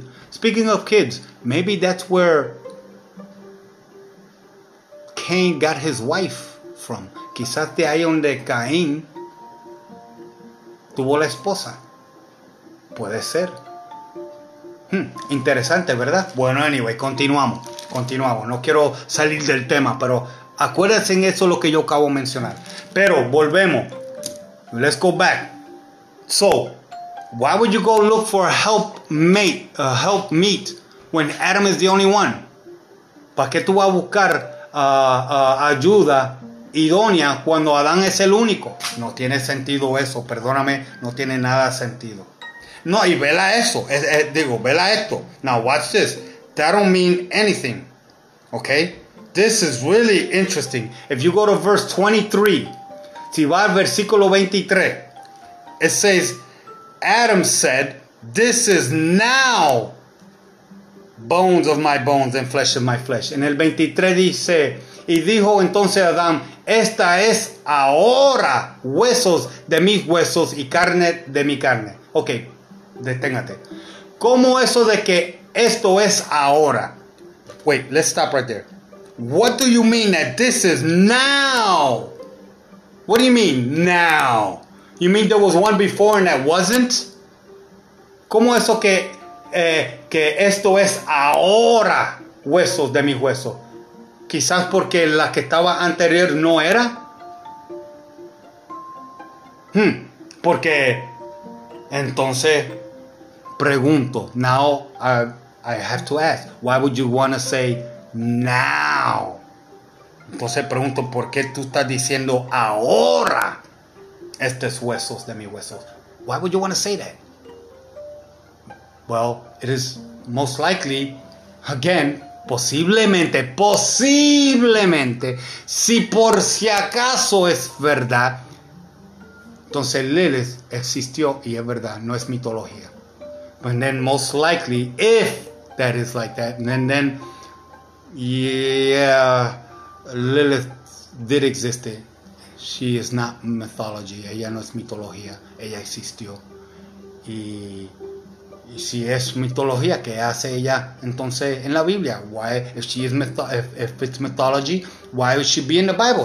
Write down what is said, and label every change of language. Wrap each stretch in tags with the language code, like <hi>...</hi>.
<en>Speaking of kids, maybe that's where Cain got his wife from.</en> <es>Quizás de ahí donde Caín tuvo la esposa. Puede ser. Interesante, ¿verdad? Bueno, anyway, continuamos. No quiero salir del tema, pero acuérdense en eso lo que yo acabo de mencionar. Pero volvemos.</es> <en>Let's go back. So, why would you go look for help meet when Adam is the only one?</en> <es>¿Para qué tú vas a buscar ayuda idónea cuando Adán es el único? No tiene sentido eso, perdóname, no tiene nada sentido. No, y vela eso, vela esto.</es> <en>Now watch this, that don't mean anything, okay? This is really interesting. If you go to verse 23,</en> <es>si va al versículo 23,</es> <en>it says, Adam said, this is now bones of my bones and flesh of my flesh.</en> <es>En el 23 dice, y dijo entonces Adán, esta es ahora huesos de mis huesos y carne de mi carne. Ok, deténgate. ¿Cómo eso de que esto es ahora?</es> <en>Wait, let's stop right there. What do you mean that this is now? What do you mean now? You mean there was one before and that wasn't?</en> <es>¿Cómo eso que que esto es ahora huesos de mi hueso? Quizás porque la que estaba anterior no era. Porque entonces pregunto.</es> <en>Now I have to ask. Why would you want to say now?</en> <es>Entonces pregunto, ¿por qué tú estás diciendo ahora estos huesos de mi hueso?</es> <en>Why would you want to say that? Well, it is most likely, again,</en> <es>posiblemente, si por si acaso es verdad, entonces Lilith existió y es verdad, no es mitología.</es> <en>And then most likely, if that is like that, then yeah, Lilith did exist. She is not mythology,</en> <es>ella no es mitología, ella existió. Y si es mitología, ¿qué hace ella entonces en la Biblia?</es> <en>Why, if it's mythology, why would she be in the Bible?</en>